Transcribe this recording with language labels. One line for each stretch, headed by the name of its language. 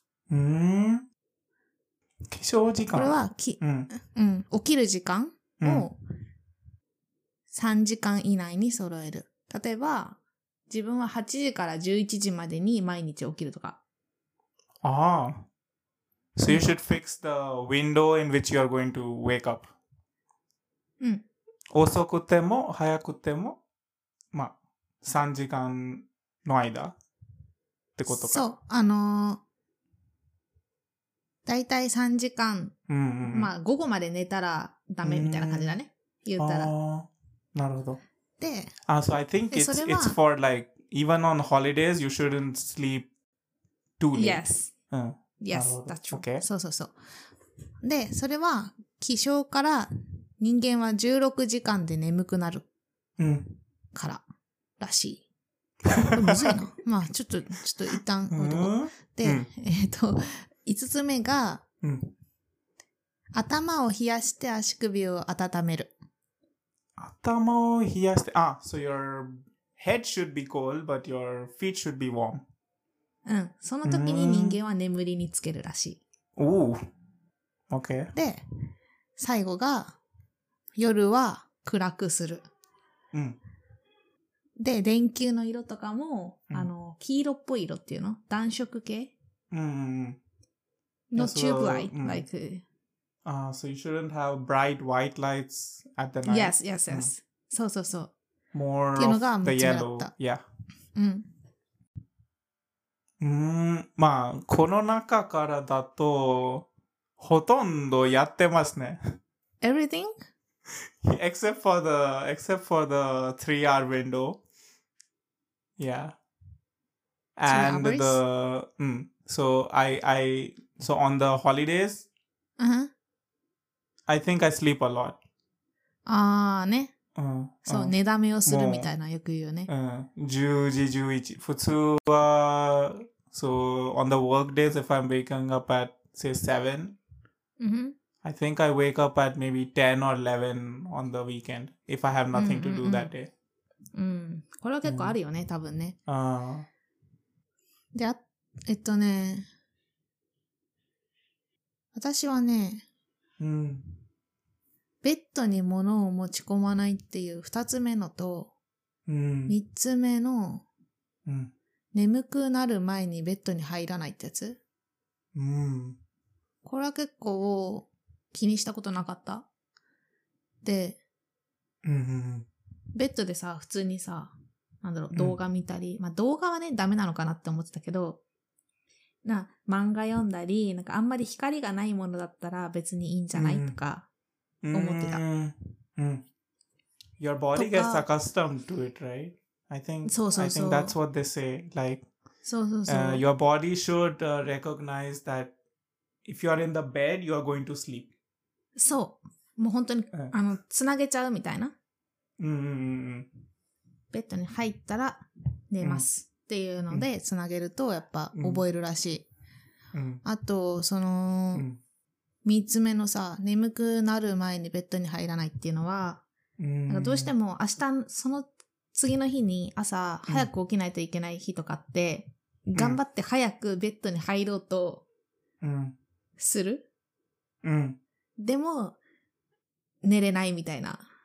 Japanese: うん。起床時間これは、うん、うん、起きる時間を3時間以内に揃える。例えば、自分は8時から11時までに毎日起きるとか。ああ。
English: So you should fix the window in which you are going to wake up.
Japanese: うん。遅くても、早くても、まあ、3時間の間ってことか。そう、だいたい3時間、うんうん、まあ午後まで寝たらダメみたいな感じだね、言ったら。なるほど。で、
English: So I think it's for like, even on holidays, you shouldn't sleep too late. Yes.、
Japanese: うん、
English: yes, that's true. Okay.
Japanese: そうそうそう。で、それは起床から人間は16時間で眠くなるかららしい。うんむずいな。まあちょっと一旦置いとこう。で、うん、5つ目が、うん、頭を冷やして足首を温める。頭を冷やして、
English: あ、so your head should be cold, but your feet should be warm.
Japanese: うん、その時に人間は眠りにつけるらしい。おお、Okay. で、最後が、夜は暗くする。うん。で、電球の色とかも、うん、あの、黄色っぽい色っていうの？暖色系？うんうんうん。のチューブライト、like.
English: Ah, so you shouldn't have bright white lights at the night. Yes, yes, yes.、
Japanese: うん、そうそうそう。
English: More of the yellow. Yeah.
Japanese: うん。まあ、この中からだと、ほとんどやってますね。
English: Everything? except for the 3R window. Yeah. And the, so on the holidays, I think I sleep a lot. Ah, ne. So,
Japanese: 寝だめをするみたいな、よく言うよね。 10時、11時。普通は、
English: So, on the work days, if I'm waking up at, say, 7, I think I wake up at maybe 10 or 11 on the weekend, if I have nothing to do that day.
Japanese: これは結構あるよね、多分ね。あで、私はね、ベッドに物を持ち込まないっていう二つ目のと、三つ目の、眠くなる前にベッドに入らないってやつ、これは結構気にしたことなかった。で、ベッドでさ、普通にさ、なんだろう、動画見たり、まあ動画はね、ダメなのかなって思ってたけど、漫画読んだり、なんかあんまり光がないものだったら別にいいんじゃないとか、思ってた。
English: Your body gets accustomed to it, right? I think that's what they say. Like, your body should recognize that if you are in the bed, you are going to sleep.
Japanese: そう。もう本当に、つなげちゃうみたいな。ベッドに入ったら寝ますっていうので、つなげるとやっぱ覚えるらしい。あと、その、三つ目のさ、眠くなる前にベッドに入らないっていうのは、なんかどうしても明日、その、次の日に朝早く起きないといけない日とかって、頑張って早くベッドに入ろうと、する、でも、寝れないみたいな。